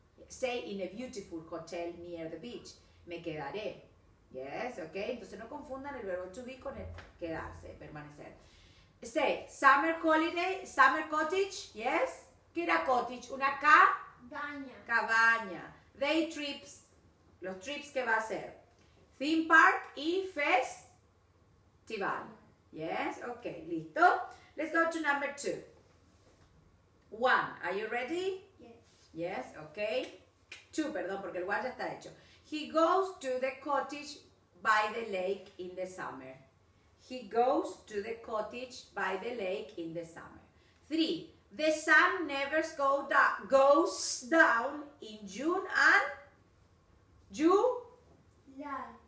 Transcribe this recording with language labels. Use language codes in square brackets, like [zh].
[en] Stay in a beautiful hotel near the beach. [es] Me quedaré. [en] Yes, okay. [es] Entonces no confundan el verbo to be con el quedarse, permanecer. [en] Say, summer holiday, summer cottage, yes? [es] ¿Qué era cottage? ¿Una cabaña? Cabaña. [en] Day trips, [es] los trips que va a hacer. [en] Theme park y festival. Yes, ok, listo. Let's go to number two. One, are you ready? Yes. Yes, ok. [es] Two, perdón, porque el one ya está hecho. [en] He goes to the cottage by the lake in the summer. He goes to the cottage by the lake in the summer. Three, the sun never goes down in June and July.